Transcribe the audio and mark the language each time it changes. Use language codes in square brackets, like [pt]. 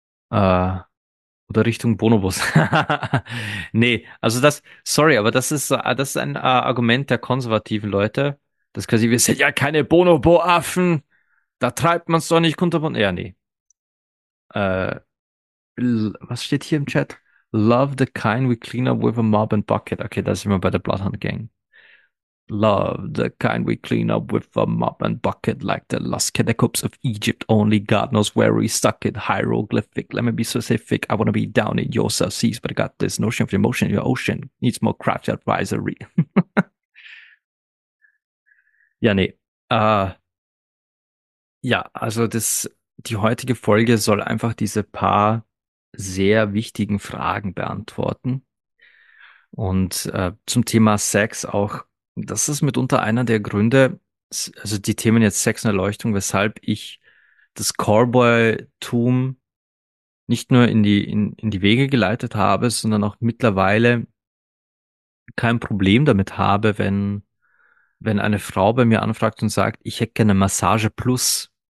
[de] Oder Richtung Bonobos. Nee, also das, sorry, aber das ist ein Argument der konservativen Leute. Das quasi, wir sind ja keine Bonobo-Affen. Da treibt man es doch nicht unter von. Ja, nee. Was steht hier im Chat? [en] Love the kind we clean up with a mop and bucket. [de] Okay, da sind wir bei der Bloodhound Gang. [en] Love the kind we clean up with a mop and bucket like the lost catacombs of Egypt. Only God knows where we stuck it. Hieroglyphic, let me be specific. I wanna be down in your South Seas, but I got this notion of the emotion in your ocean. Needs more craft advisory. [de] Ja, nee. Ja, also die heutige Folge soll einfach diese paar sehr wichtigen Fragen beantworten. Und zum Thema Sex auch. Das ist mitunter einer der Gründe, also die Themen jetzt Sex und Erleuchtung, weshalb ich das Callboy-Tum nicht nur in die Wege geleitet habe, sondern auch mittlerweile kein Problem damit habe, wenn eine Frau bei mir anfragt und sagt, ich hätte gerne Massage plus.